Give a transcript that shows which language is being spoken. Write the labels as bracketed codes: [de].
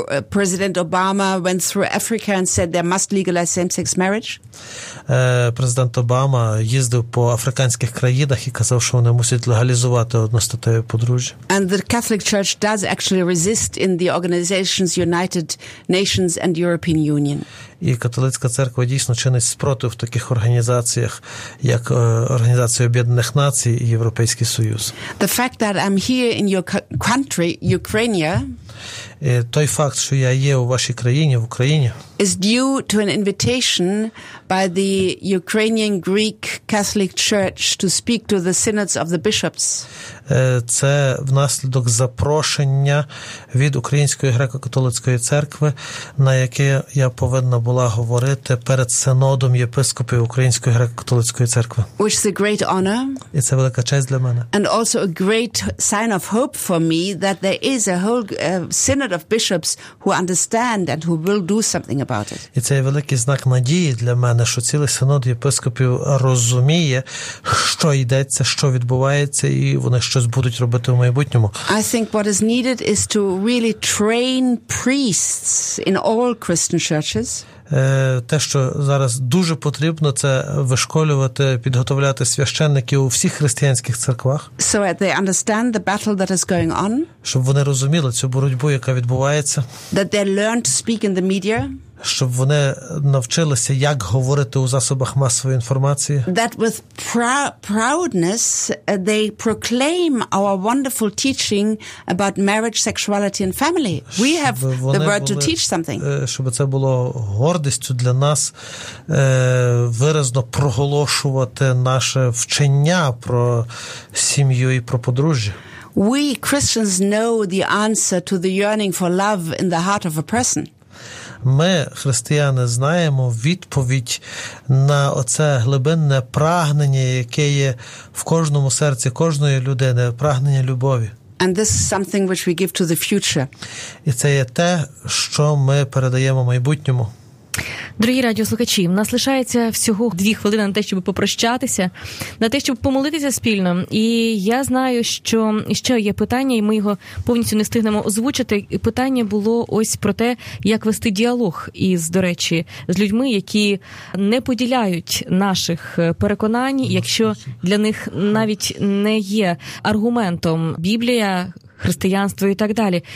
[en] President Obama went through Africa and said they must legalize same-sex marriage. [uk] Президент Обама їздив по африканських країнах і казав, що вони мусять легалізувати одностатеві подружжя. [en] And the Catholic Church does actually resist in the organizations United Nations and European Union. [uk] І католицька церква дійсно чинить спротив в таких організаціях, як Організація Об'єднаних Націй і Європейський Союз. [en] The fact that I'm here in your country, Ukraine, [uk] той факт, що я є у вашій країні, в Україні, [en] is due to an invitation by the Ukrainian Greek Catholic Church to speak to the synods of the bishops. [uk] Це внаслідок запрошення від Української греко-католицької церкви, на яке я повинна була говорити перед синодом єпископів Української греко-католицької церкви. [en] Which is a great honor. [uk] І це велика честь для мене. [en] And also a great sign of hope for me that there is a whole synod of bishops who understand and who will do something about it. [uk] І це є великий знак надії для мене, що цілий синод єпископів розуміє, що йдеться, що відбувається, і вони щось будуть робити у майбутньому. [en] I think what is needed is to really train priests in all Christian churches. [uk] Те, що зараз дуже потрібно, це вишколювати, підготовляти священників у всіх християнських церквах. [en] So they understand the battle that is going on. [uk] Щоб вони розуміли цю боротьбу, яка відбувається. [en] That they learn to speak in the media. [uk] Щоб вони навчилися, як говорити у засобах масової інформації. [en] That with proudness they proclaim our wonderful teaching about marriage, sexuality and family. We have the word to teach something. [uk] Щоб це було гордістю для нас виразно проголошувати наше вчення про сім'ю і про подружжя. [en] We Christians know the answer to the yearning for love in the heart of a person. [uk] Ми, християни, знаємо відповідь на оце глибинне прагнення, яке є в кожному серці кожної людини, прагнення любові. [en] And this is something which we give to the future. [uk] І це є те, що ми передаємо майбутньому. Дорогі радіослухачі, в нас лишається всього 2 хвилини на те, щоб попрощатися, на те, щоб помолитися спільно. І я знаю, що ще є питання, і ми його повністю не встигнемо озвучити. І питання було ось про те, як вести діалог із, до речі, з людьми, які не поділяють наших переконань, якщо для них навіть не є аргументом Біблія, християнство і так далі.